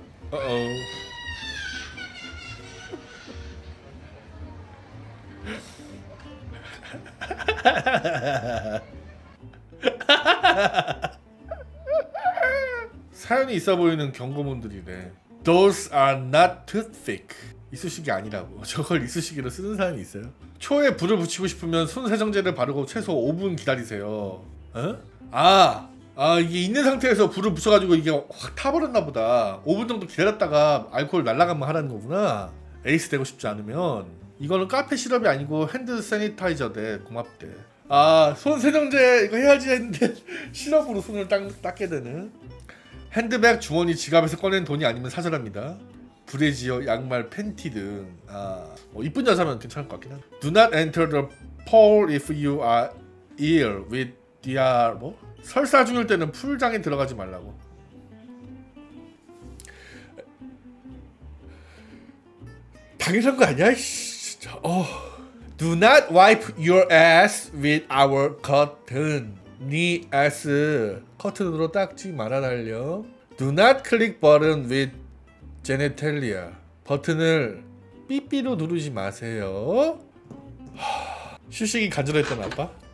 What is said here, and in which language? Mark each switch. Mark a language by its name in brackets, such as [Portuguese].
[Korean] 어어. 사연이 있어 보이는 경고문들이네. [English] Those are not toothpick. [Korean] 이쑤시개 아니라고. 저걸 이쑤시개로 쓰는 사람이 있어요? 초에 불을 붙이고 싶으면 손세정제를 바르고 최소 5분 기다리세요. 어? 아 이게 있는 상태에서 불을 붙여가지고 이게 확 타버렸나 보다. 5분 정도 기다렸다가 알코올 날라가면 하라는 거구나. 에이스 되고 싶지 않으면. 이거는 카페 시럽이 아니고 핸드 세니타이저 대 고맙대. 아 손세정제 이거 해야지 했는데 시럽으로 손을 닦게 되는. 핸드백, 주머니, 지갑에서 꺼낸 돈이 아니면 사절합니다. 브래지어, 양말, 팬티 등. 아, 뭐 이쁜 여자면 괜찮을 것 같긴 한데. [English] Do not enter the pool if you are ill with DR. [Korean] 뭐? 설사 중일 때는 풀장에 들어가지 말라고. 당연한 거 아니야? 진짜. 어. [English] Do not wipe your ass with our curtain. [Korean] 네 ass 커튼으로 닦지 말아달려. [English] Do not click button with genitalia. [Korean] 버튼을 삐삐로 누르지 마세요. 휴식이 간절했던 아빠?